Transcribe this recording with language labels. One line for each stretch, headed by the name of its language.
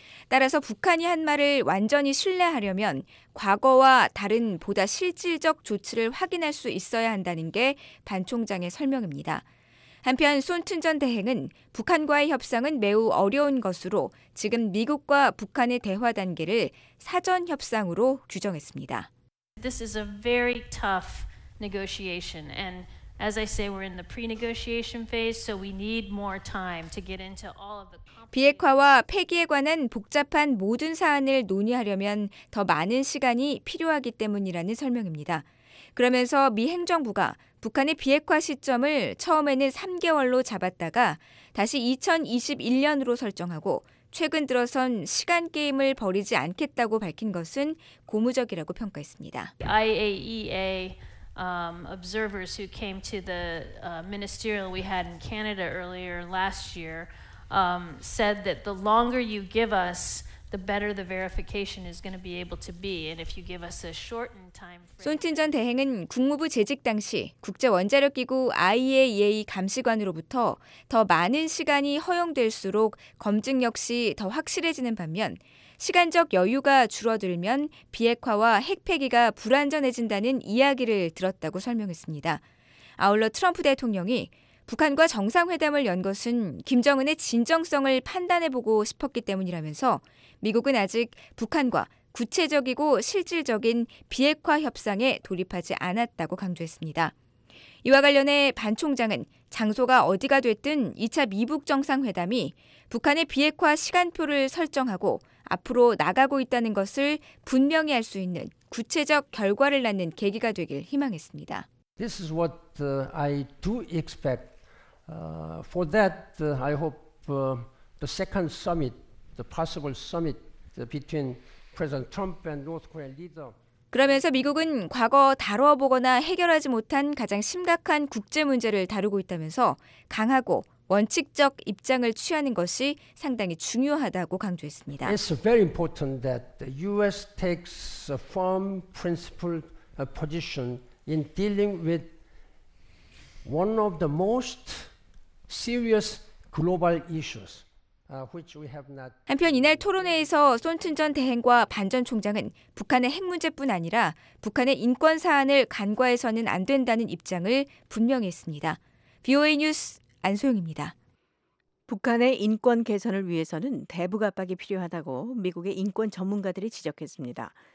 Korean: 따라서 북한이 한 말을 완전히 신뢰하려면 과거와 다른 보다 실질적 조치를 확인할 수 있어야 한다는 게 반 총장의 설명입니다. 한편 손춘 전 대행은 북한과의 협상은 매우 어려운 것으로 지금 미국과 북한의 대화 단계를 사전 협상으로 규정했습니다.
English: This is a very tough negotiation and as I say we're in the pre-negotiation phase so we need more time to get into all of the
Korean: 비핵화와 폐기에 관한 복잡한 모든 사안을 논의하려면 더 많은 시간이 필요하기 때문이라는 설명입니다. 그러면서 미 행정부가 북한의 비핵화 시점을 처음에는 3개월로 잡았다가 다시 2021년으로 설정하고 최근 들어선 시간 게임을 벌이지 않겠다고 밝힌 것은 고무적이라고 평가했습니다.
English: IAEA observers who came to the ministerial we had in Canada earlier last year said that the longer you give us the better the verification is going to be able to be and if you give us a shortened time frame
Korean: 손튼 전 대행은 국무부 재직 당시 국제 원자력 기구 IAEA 감시관으로부터 더 많은 시간이 허용될수록 검증 역시 더 확실해지는 반면 시간적 여유가 줄어들면 비핵화와 핵 폐기가 불안전해진다는 이야기를 들었다고 설명했습니다. 아울러 트럼프 대통령이 북한과 정상회담을 연 것은 김정은의 진정성을 판단해보고 싶었기 때문이라면서 미국은 아직 북한과 구체적이고 실질적인 비핵화 협상에 돌입하지 않았다고 강조했습니다. 이와 관련해 반 총장은 장소가 어디가 됐든 2차 미북 정상회담이 북한의 비핵화 시간표를 설정하고 앞으로 나가고 있다는 것을 분명히 할 수 있는 구체적 결과를 낳는 계기가 되길 희망했습니다.
English: This is what I do expect. For that, I hope the second summit, the possible summit between President Trump and North Korean leader.
Korean: 그러면서 미국은 과거 다뤄보거나 해결하지 못한 가장 심각한 국제 문제를 다루고 있다면서 강하고 원칙적 입장을 취하는 것이 상당히 중요하다고 강조했습니다.
English: It's very important that the U.S. takes a firm, principled position. In dealing with one of the most serious global issues, which we have not.
Korean: 한편 이날 토론회에서 손튼 전 대행과 반 전 총장은 북한의 핵 문제뿐 아니라 북한의 인권 사안을 간과해서는 안 된다는 입장을 분명히 했습니다. VOA 뉴스 안소영입니다. 북한의 인권 개선을 위해서는 대북 압박이 필요하다고 미국의 인권 전문가들이 지적했습니다.